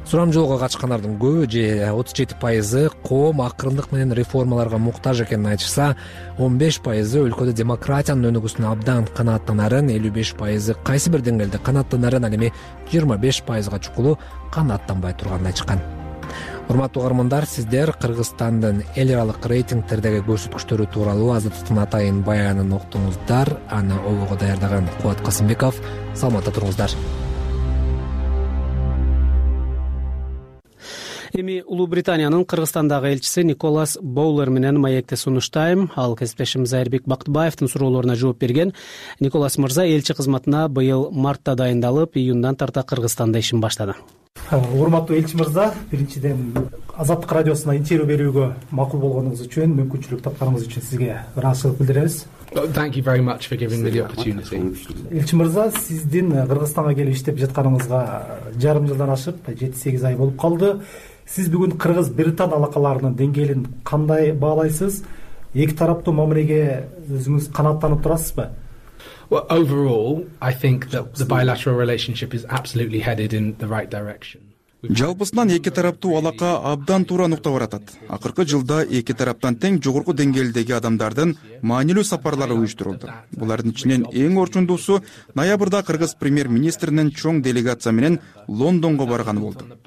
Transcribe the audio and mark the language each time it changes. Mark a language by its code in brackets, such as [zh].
[ky] Сурамжылоого катышкандардын көбү же 37% коом акырындык менен реформаларга муктаж экенин айтышса, 15% өлкөдө демократиянын өнүгүүсүнө абдан канааттанарын, 55% кайсы бир деңгээлде канааттанарын, ал эми 25%га чукулу канааттанбай турганын айтышкан. Урматтуу угармандар, сиздер Кыргызстандын эл аралык рейтингтердеги көрсөткүчтөрү тууралуу Азаттыктын атайын баянын уктуңуздар. Аны обого даярдаган Кубат Касымбеков. Саламатта туруңуздар. Эми Улуу Британиянын Кыргызстандагы элчиси Николас Боулер менен маекте сунуштайм. Ал кесиптешимиз Айрбек Бактыбаевдин суроолоруна жооп берген. Николас мырза, элчи кызматына быйыл мартта дайындалып, июндан тарта Кыргызстанда ишин баштады. Урматтуу элчи мырза, биринчиден Азаттык радиосуна интервью берүүгө макул болгонуңуз үчүн, мүмкүнчүлүк тапканыңыз үчүн сизге ыраазычылык билдиребиз. [en] Thank you very much for giving me the opportunity. [ky] Элчи мырза, сиздин Кыргызстанга келип иштеп жатканыңызга жарым жылдан ашып, 7-8 ай болуп калды. Сиз бүгүн Кыргыз-Британ алакаларынын деңгээлин кандай баалайсыз? Эки тараптуу мамилеге өзүңүз канааттанып турасызбы? [en] Well, overall, I think that the bilateral relationship is absolutely headed in the right direction. [ky] Жалпысынан эки тараптуу алака абдан туура нукта баратат. Акыркы жылда эки тараптан тең жогорку деңгээлдеги адамдардын маанилүү сапарлары уюштурулду. Булардын ичинен эң орчундуусу ноябрда кыргыз премьер-министринин чоң делегация менен Лондонго барганы болду.